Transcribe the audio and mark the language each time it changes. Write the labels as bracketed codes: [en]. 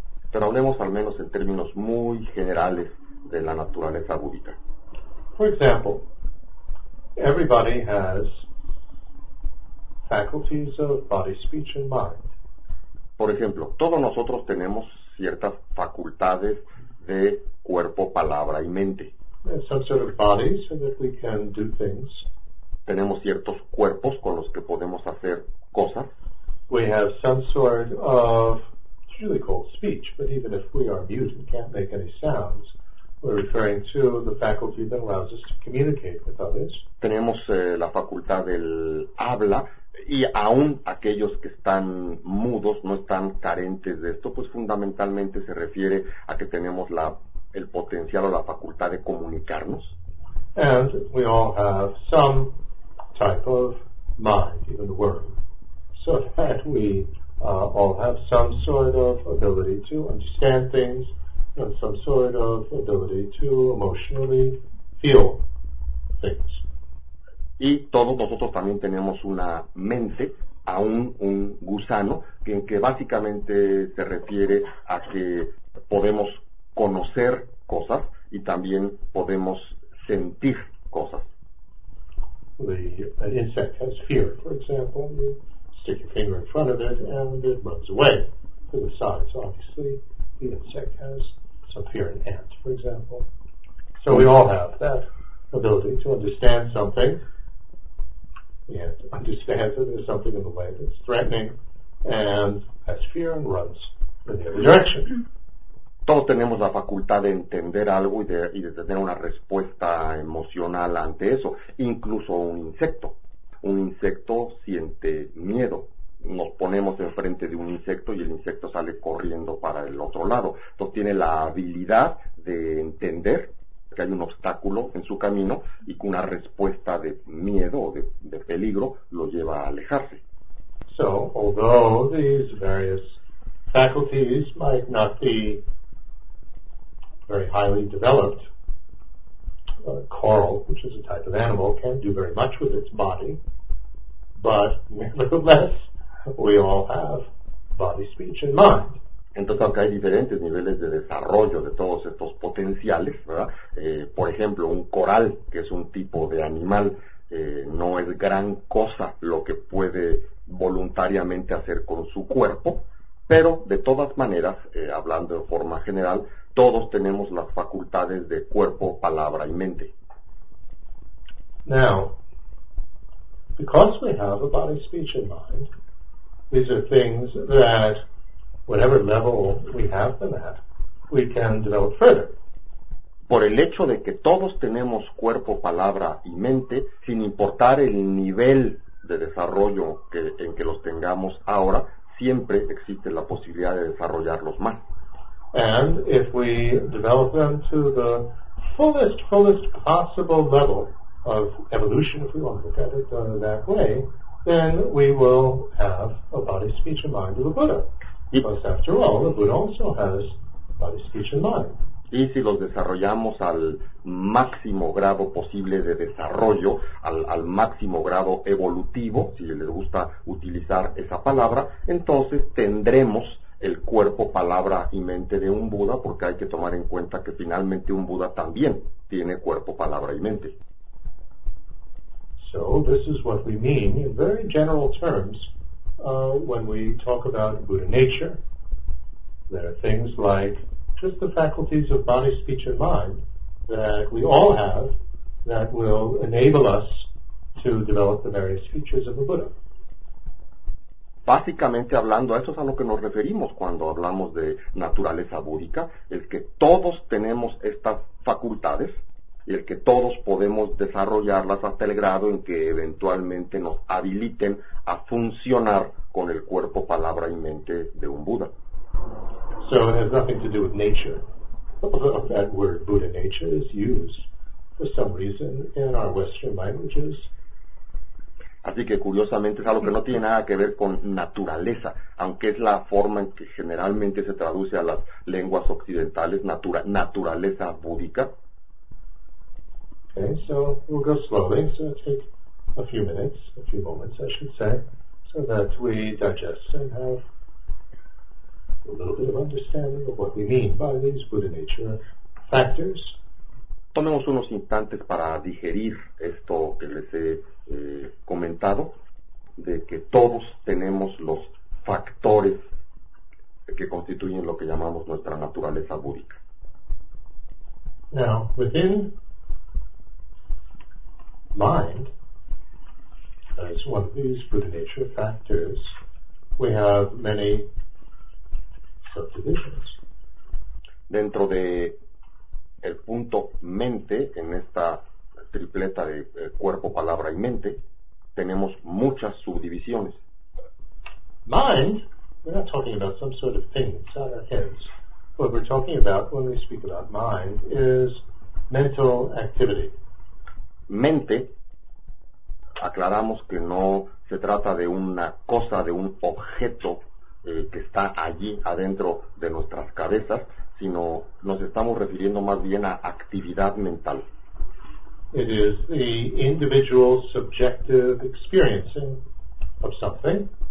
[es] Pero hablemos al menos en términos muy generales de la naturaleza búdica. [en] For example, everybody has faculties of body, speech, and mind. [es] Por ejemplo, todos nosotros tenemos ciertas facultades de cuerpo, palabra y mente. [en] There's some sort of body so that we can do things. [es] Tenemos ciertos cuerpos con los que podemos hacer cosas. [en] We have some sort of, it's really called speech, but even if we are mute and can't make any sounds, we're referring to the faculty that allows us to communicate with others. [es] Tenemos la facultad del habla. Y aún aquellos que están mudos, no están carentes de esto, pues fundamentalmente se refiere a que tenemos el potencial o la facultad de comunicarnos. [en] And we all have some type of mind, even the worm, so that we all have some sort of ability to understand things and some sort of ability to emotionally feel things. [es] Y todos nosotros también tenemos una mente, aún un gusano, que básicamente se refiere a que podemos conocer cosas y también podemos sentir cosas. [en] An insect has fear, for example. You stick your finger in front of it and it runs away to the side. So obviously, the insect has some fear in ants, for example. So we all have that ability to understand something. and understands that there's something in the way that's threatening, and has fear and runs in the other direction. [es] Todos tenemos la facultad de entender algo y de tener una respuesta emocional ante eso, incluso un insecto. Un insecto siente miedo. Nos ponemos enfrente de un insecto y el insecto sale corriendo para el otro lado. Entonces tiene la habilidad de entender que hay un obstáculo en su camino y que una respuesta de miedo o de peligro lo lleva a alejarse. [en] So, although these various faculties might not be very highly developed, coral, which is a type of animal, can't do very much with its body, but nevertheless, we all have body, speech, and mind. [es] Entonces, aunque hay diferentes niveles de desarrollo de todos estos potenciales, ¿verdad? Por ejemplo, un coral, que es un tipo de animal, no es gran cosa lo que puede voluntariamente hacer con su cuerpo, pero de todas maneras, hablando de forma general, todos tenemos las facultades de cuerpo, palabra y mente. [en] Now, because we have a body, speech, and mind, these are things that, whatever level we have them at, we can develop further. [es] Por el hecho de que todos tenemos cuerpo, palabra y mente, sin importar el nivel de desarrollo que, en que los tengamos ahora, siempre existe la posibilidad de desarrollarlos más. [en] And if we develop them to the fullest, fullest possible level of evolution, if we want to look at it that way, then we will have a body, speech, and mind of the Buddha. Because after all, the Buddha also has body, speech, and mind. [es] Y si los desarrollamos al máximo grado posible de desarrollo, al máximo grado evolutivo, si les gusta utilizar esa palabra, entonces tendremos el cuerpo, palabra y mente de un Buda, porque hay que tomar en cuenta que finalmente un Buda también tiene cuerpo, palabra y mente. [en] So, this is what we mean in very general terms when we talk about Buddha nature. There are things like just the faculties of body, speech, and mind that we all have that will enable us to develop the various features of a Buddha. [es] Básicamente hablando, a eso es a lo que nos referimos cuando hablamos de naturaleza búdica, el que todos tenemos estas facultades, el que todos podemos desarrollarlas hasta el grado en que eventualmente nos habiliten a funcionar con el cuerpo, palabra y mente de un Buda. [en] So it has nothing to do with nature. That word Buddha nature is used for some reason in our Western languages. [es] Así que curiosamente es algo que no tiene nada que ver con naturaleza, aunque es la forma en que generalmente se traduce a las lenguas occidentales, naturaleza búdica. [en] Okay, so we'll go slowly, so it'll take a few minutes, a few moments I should say, so that we digest and have a little bit of understanding of what we mean by these Buddha nature factors. [es] Tomemos unos instantes para digerir esto que les he comentado, de que todos tenemos los factores que constituyen lo que llamamos nuestra naturaleza búdica. [en] Now, within mind, as one of these Buddha nature factors, we have many subdivisions. [es] Dentro de el punto mente, en esta tripleta de cuerpo, palabra y mente, tenemos muchas subdivisiones. [en] Mind, we're not talking about some sort of thing inside our heads. What we're talking about when we speak about mind is mental activity. [es] Mente, aclaramos que no se trata de una cosa, de un objeto que está allí adentro de nuestras cabezas, sino nos estamos refiriendo más bien a actividad mental. [en] It is the individual subjective experiencing of something.